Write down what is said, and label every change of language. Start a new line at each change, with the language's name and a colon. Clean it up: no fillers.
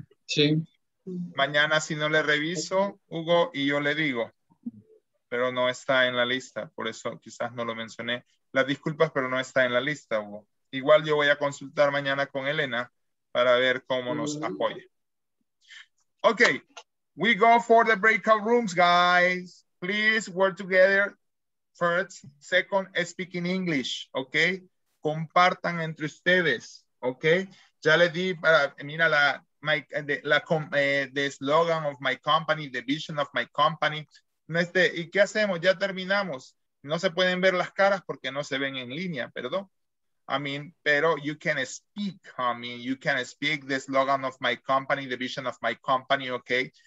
Spanish: Sí. Mañana si no le reviso, Hugo, y yo le digo. Pero no está en la lista, por eso quizás no lo mencioné. Las disculpas, pero no está en la lista, Hugo. Igual yo voy a consultar mañana con Elena para ver cómo nos apoya.
English: Ok, we go for the breakout rooms, guys. Please work together. First, second, speaking English, ok.
Spanish: Compartan entre ustedes, ok. Ya le di para, mira la...
English: the slogan of my company, the vision of my company.
Spanish: ¿Y qué hacemos? Ya terminamos. No se pueden ver las caras porque no se ven en línea, perdón.
English: I mean, pero you can speak, I mean, you can speak the slogan of my company, the vision of my company, okay?